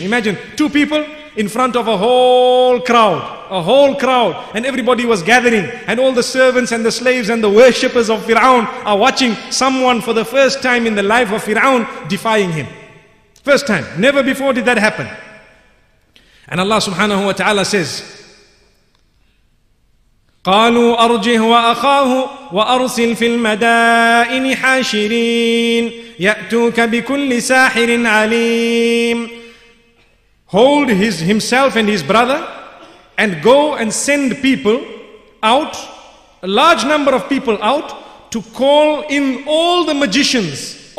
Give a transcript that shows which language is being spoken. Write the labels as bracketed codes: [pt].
[en] Imagine two people in front of a whole crowd, and everybody was gathering, and all the servants and the slaves and the worshippers of Fir'aun are watching someone for the first time in the life of Fir'aun defying him. First time, never before did that happen. And Allah subhanahu wa ta'ala says, [ar] قالوا أرجه وأخاه وأرسل في المدائن حاشرين يأتوك بكل ساحر عليم. [en] Hold himself and his brother and go and send people out, a large number of people out, to call in all the magicians.